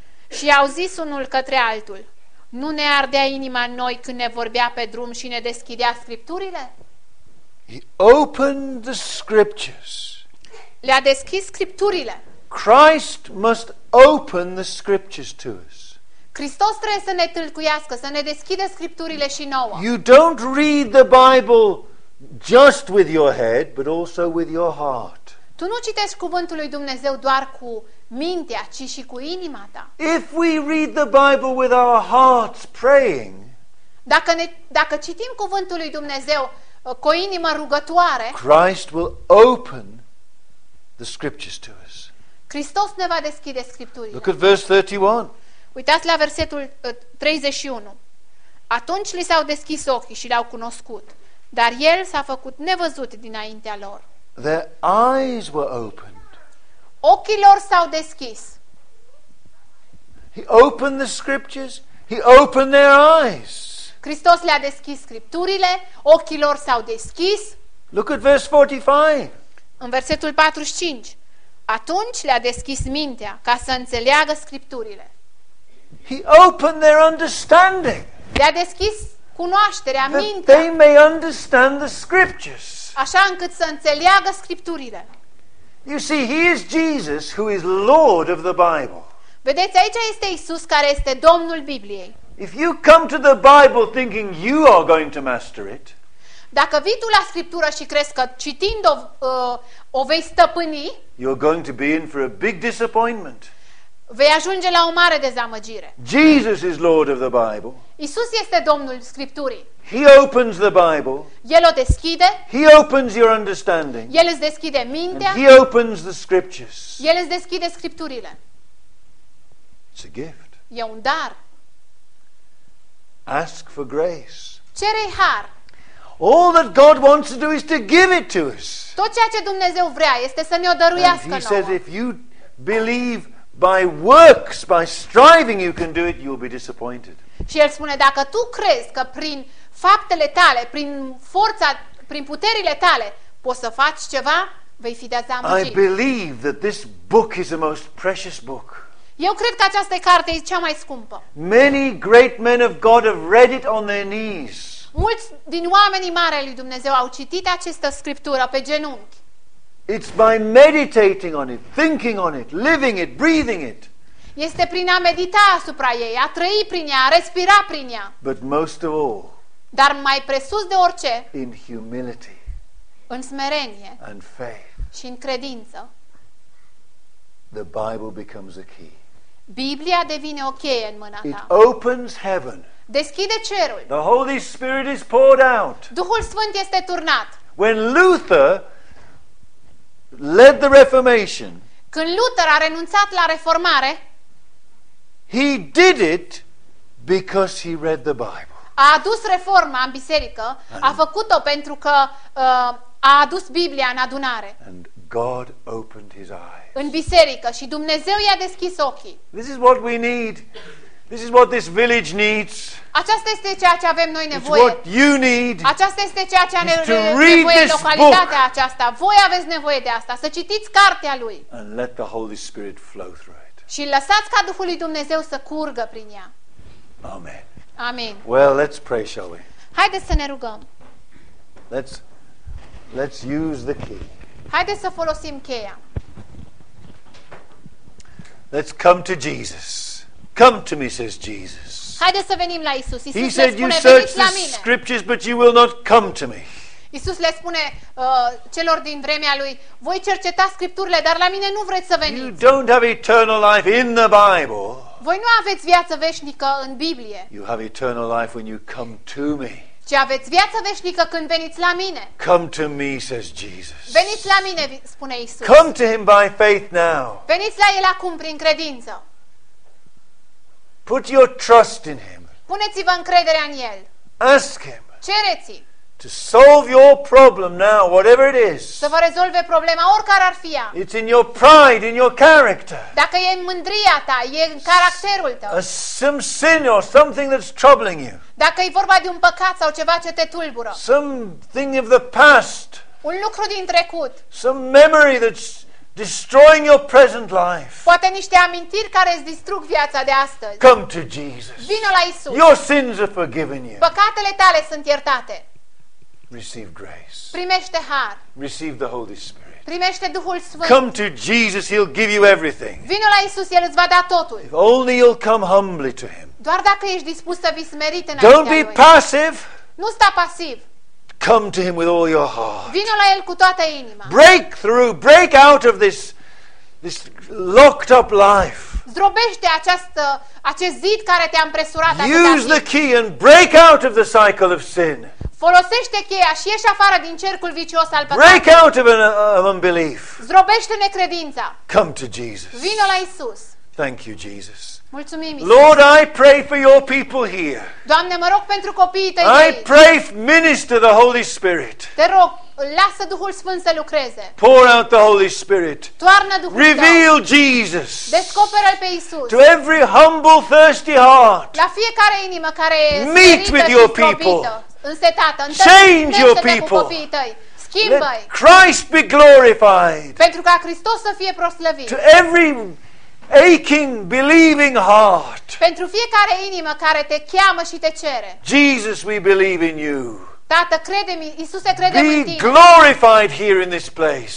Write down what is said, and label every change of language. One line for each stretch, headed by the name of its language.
Romanian: Și au zis unul către altul. Nu ne ardea inima noi când ne vorbea pe drum și ne deschidea scripturile?
English: He opened the scriptures.
Romanian: Le-a deschis scripturile.
English: Christ must open the scriptures to us.
Romanian: Hristos trebuie să ne tâlcuiască, să ne deschidă scripturile și nouă.
English: You don't read the Bible just with your head, but also with your heart.
Romanian: Tu nu citești cuvântul lui Dumnezeu doar cu mintea, ci și cu inima ta.
English: If we read the Bible with our hearts praying,
Romanian: dacă citim cuvântul lui Dumnezeu cu o inimă rugătoare,
English: Christ will open the scriptures to us.
Romanian: Hristos ne va deschide scripturile.
English: Look at verse 31.
Romanian: Uitați la versetul 31. Atunci li s-au deschis ochii și l-au cunoscut, dar el s-a făcut nevăzut dinaintea lor.
English: Their eyes were opened.
Romanian: Ochii lor s-au deschis.
English: He opened the scriptures. He opened their eyes.
Romanian: Hristos le-a deschis scripturile, ochii lor s-au deschis.
English: Look at verse 45.
Romanian: În versetul 45. Atunci le-a deschis mintea ca să înțeleagă scripturile.
English: He opened their understanding.
Romanian: Le-a deschis cunoașterea, mintea.
English: They may understand the scriptures.
Romanian: Așa încât să înțeleagă scripturile.
English: You see, here is Jesus who is Lord of the Bible.
Romanian: Vedeți, aici este Isus care este Domnul Bibliei.
English: If you come to the Bible thinking you are going to master it,
Romanian: dacă vii tu la scriptură și crezi că citind o o vei stăpâni,
English: you're going to be in for a big disappointment.
Romanian: Vei ajunge la o mare dezamăgire.
English: Jesus is Lord of the Bible.
Romanian: Iisus este Domnul Scripturii.
English: He opens the Bible.
Romanian: El o deschide.
English: He opens your understanding.
Romanian: El îți deschide mintea.
English: And he opens the scriptures.
Romanian: El îți deschide scripturile.
English: It's a gift.
Romanian: E un dar.
English: Ask for grace.
Romanian: Cere har.
English: All that God wants to do is to give it to us.
Romanian: Tot ceea ce Dumnezeu vrea este să ne-o dăruiască nouă.
English: He says, if you believe by works, by striving you can do it, you will be disappointed.
Romanian: Și el spune, dacă tu crezi că prin faptele tale, prin forța, prin puterile tale, poți să faci ceva, vei fi dezamăgit.
English: I believe that this book is the most precious book.
Romanian: Eu cred că această carte este cea mai scumpă.
English: Many great men of God have read it on their knees.
Romanian: Mulți din oamenii mari ai lui Dumnezeu au citit această scriptură pe genunchi.
English: It's by meditating on it, thinking on it, living it, breathing it.
Romanian: Este prin a medita asupra ei, a trăi prin ea, a respira prin ea.
English: But most of all,
Romanian: dar mai presus de orice,
English: in humility,
Romanian: în smerenie,
English: and faith,
Romanian: și în credință,
English: the Bible becomes a key.
Romanian: Biblia devine o cheie în mâna ta.
English: It opens heaven.
Romanian: Deschide cerul.
English: The Holy Spirit is poured out.
Romanian: Duhul Sfânt este turnat.
English: When Luther led the Reformation,
Romanian: când Luther a renunțat la reformare,
English: he did it because he read the Bible.
Romanian: A adus reforma în biserică, a făcut-o pentru că a adus Biblia în adunare.
English: And God opened his eyes.
Romanian: În biserică și Dumnezeu i-a deschis ochii.
English: This is what we need. This is what this village needs.
Romanian: Aceasta este ceea ce avem noi nevoie.
English: It's what you need.
Romanian: Aceasta este ceea ce ne trebuie în localitatea aceasta. Voi aveți nevoie de asta, să citiți cartea lui.
English: And let the Holy Spirit flow through it.
Romanian: Și lăsați ca Duhul lui Dumnezeu să curgă prin ea.
English: Amen.
Romanian: Amen.
English: Well, let's pray, shall we?
Romanian: Haideți să ne rugăm.
English: Let's use the key.
Romanian: Haideți să folosim cheia.
English: Let's come to Jesus. Come to me, says Jesus.
Romanian: Haideți să venim la Isus.
English: He said, you search the scriptures, but you will not come to me.
Romanian: Isus le spune celor din vremea lui, voi cerceta scripturile, dar la mine nu vreți să veniți.
English: You don't have eternal life in the Bible.
Romanian: Voi nu aveți viață veșnică în Biblie.
English: You have eternal life when you come to me.
Romanian: Ci aveți viață veșnică când veniți la mine.
English: Come to me, says Jesus.
Romanian: Veniți la mine, spune Isus.
English: Come to him by faith now.
Romanian: Veniți la el acum prin credință.
English: Put your trust in him.
Romanian: Puneți-vă încrederea în el.
English: Ask him.
Romanian: Cereți-i.
English: To solve your problem now, whatever it is.
Romanian: Să vă rezolve problema oricare ar fi ea.
English: It's in your pride, in your character.
Romanian: Dacă e în mândria ta, e în caracterul tău.
English: Some sin or something that's troubling you.
Romanian: Dacă e vorba de un păcat sau ceva ce te tulbură.
English: Something of the past.
Romanian: Un lucru din trecut.
English: Some memory that's destroying your present life.
Romanian: Poate niște amintiri care îți distrug viața de astăzi.
English: Come to Jesus.
Romanian: Vino la Isus.
English: Your sins are forgiven you.
Romanian: Păcatele tale sunt iertate.
English: Receive grace.
Romanian: Primește har.
English: Receive the Holy Spirit.
Romanian: Primește Duhul Sfânt.
English: Come to Jesus, he'll give you everything.
Romanian: Vino la Isus, el îți va da totul.
English: If only you'll come humbly to him.
Romanian: Doar dacă ești dispus să vii smerit înaintea lui.
English: Don't be passive.
Romanian: Nu sta pasiv.
English: Come to him with all your heart.
Romanian: Vino la el cu toată inima.
English: Break through, break out of this locked up life.
Romanian: Zdrobește acest zid care te-a împresurat atât.
English: Use the key and break out of the cycle of sin.
Romanian: Folosește cheia și ieși afară din cercul vicios al păcatului.
English: Break out of unbelief.
Romanian: Zdrobește necredința.
English: Come to Jesus.
Romanian: Vino la Isus.
English: Thank you, Jesus.
Romanian: Mulțumim, Isus.
English: Lord, I pray for your people here.
Romanian: Doamne, mă rog pentru copiii tăi.
English: I pray, minister the Holy Spirit.
Romanian: Te rog, lasă Duhul Sfânt să lucreze.
English: Pour out the Holy Spirit.
Romanian: Toarnă Duhul.
English: Reveal Jesus.
Romanian: Descoperă-l pe Isus.
English: To every humble, thirsty heart.
Romanian: La fiecare inimă care e smerită.
English: Meet with your people.
Romanian: Însetată,
English: change your people.
Romanian: Schimbă-i.
English: Let Christ be glorified.
Romanian: Pentru ca Hristos să fie proslăvit.
English: To every aching, believing heart.
Romanian: Pentru fiecare inimă care te cheamă și te cere.
English: Jesus, we believe in you.
Romanian: Tată, crede-mi, Iisuse, crede-mi
English: be
Romanian: în tine.
English: Glorified here in this place.